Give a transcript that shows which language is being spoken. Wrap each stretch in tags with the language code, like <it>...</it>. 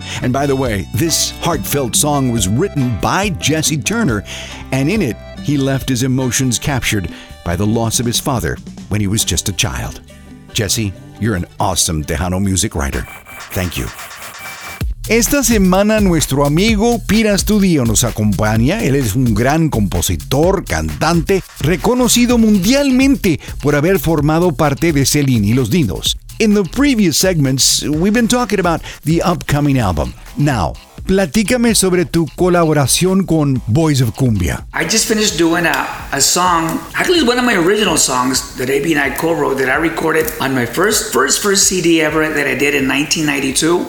<en>And by the way, this heartfelt song was written by Jesse Turner, and in it, he left his emotions captured by the loss of his father when he was just a child. Jesse, you're an awesome Tejano music writer. Thank you.</en> <es>Esta semana nuestro amigo Pira Studio nos acompaña. Él es un gran compositor, cantante, reconocido mundialmente por haber formado parte de Celine y Los Dinos.</es> <en>In the previous segments, we've been talking about the upcoming album.</en> <es>Now, platícame sobre tu colaboración con Boys of Cumbia.</es> <en>I just finished doing a song, actually one of my original songs that AB and I co-wrote that I recorded on my first CD ever that I did in 1992.</en>